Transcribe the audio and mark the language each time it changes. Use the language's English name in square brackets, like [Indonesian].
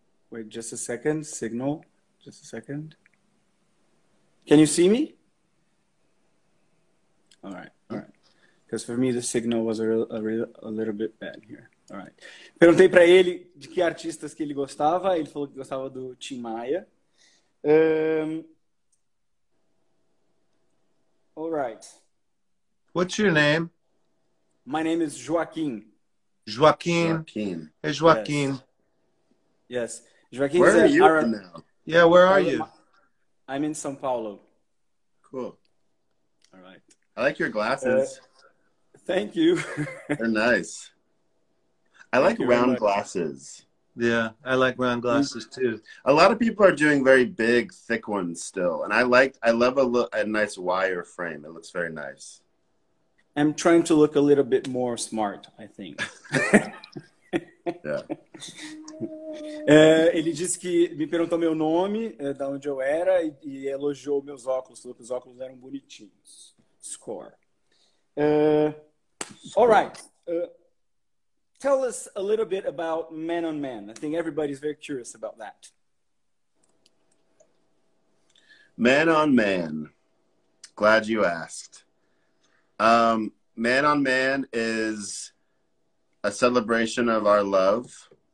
[English] Wait, just a second. Signal. Just a second. Can you see me? All right. Because for me, the signal was a little bit bad here. All right. [Portuguese] Perguntei para ele de que artistas que ele gostava. Ele falou que gostava do Tim Maia. [English] All right. What's your name? My name is Joaquim. Joaquim. Joaquim. Hey, Joaquim. Yes. Joaquim. Where are you right now? Yeah, where are you? I'm in São Paulo. Cool. All right. I like your glasses. Thank you. They're nice. I like round glasses. Yeah, I like round glasses too. A lot of people are doing very big, thick ones still. And I love a nice wire frame. It looks very nice. I'm trying to look a little bit more smart, I think. Yeah. [Portuguese] Ele disse que me perguntou meu nome, da onde eu era, e elogiou meus óculos, falou que os óculos eram bonitinhos. [English] Score. All right. Tell us a little bit about Man on Man. I think everybody's very curious about that. Man on Man. Glad you asked. Man on Man is a celebration of our love.